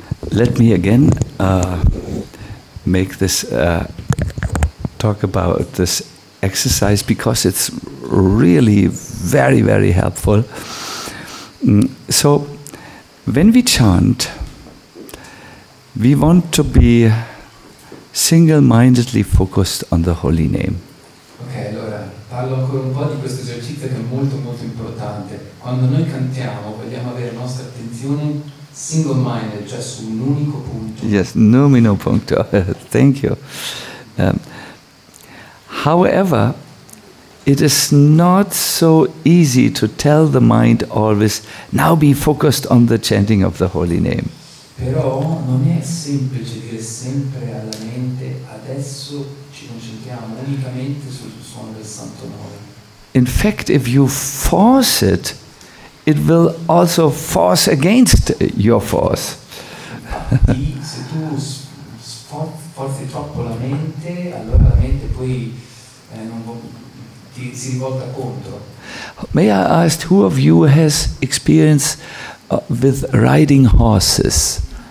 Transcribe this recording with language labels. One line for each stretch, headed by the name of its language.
English: Let me again make this talk about this exercise, because it's really very, very helpful. So when we chant, we want to be single-mindedly focused on the holy name.
Italian: Okay, allora parlo ancora un po' di questo esercizio che è molto molto importante. Quando noi cantiamo, vogliamo avere la nostra attenzione
English: single-minded,
Italian: cioè su un unico punto.
English: Yes,
Italian: numino punto.
English: Thank you. However, it is not so easy to tell the mind always, now be focused on the chanting of the holy name.
Italian: Però non è semplice dire sempre alla mente, adesso ci concentriamo unicamente sul suono del santo nome.
English: In fact, if you force it, it will also force against your force.
Italian: Se tu forzi troppo la mente, allora la mente poi si rivolta contro.
English: May I ask, who of you has experience with riding horses?